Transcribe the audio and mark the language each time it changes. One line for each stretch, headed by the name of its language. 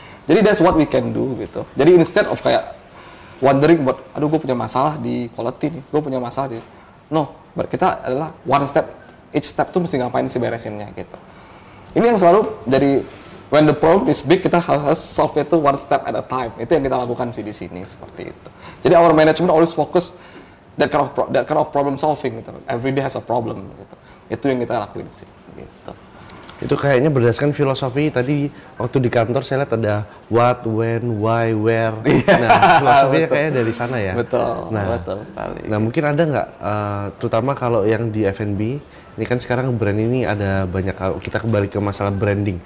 Indonesian: Jadi
English: that's what we can do
Indonesian: gitu. Jadi
English: instead of
Indonesian: kayak
English: wondering
Indonesian: buat, aduh gue punya masalah di quality nih, gue punya masalah di,
English: no, but
Indonesian: kita adalah
English: one step, each step
Indonesian: tuh mesti ngapain sih beresinnya gitu. Ini yang selalu jadi,
English: when the problem is big,
Indonesian: kita harus
English: solve it one step at a time.
Indonesian: Itu yang kita lakukan sih di sini, seperti itu. Jadi
English: our management always focus that kind of problem solving gitu. Every day has a problem gitu.
Indonesian: Itu yang kita lakuin sih gitu. Itu kayaknya berdasarkan filosofi tadi waktu di kantor saya lihat ada
English: what, when, why, where.
Indonesian: Nah, filosofinya kayaknya dari sana ya. Betul sekali. Nah, mungkin ada nggak, terutama kalau yang di F&B, ini kan sekarang brand ini ada banyak, kita kembali ke masalah branding.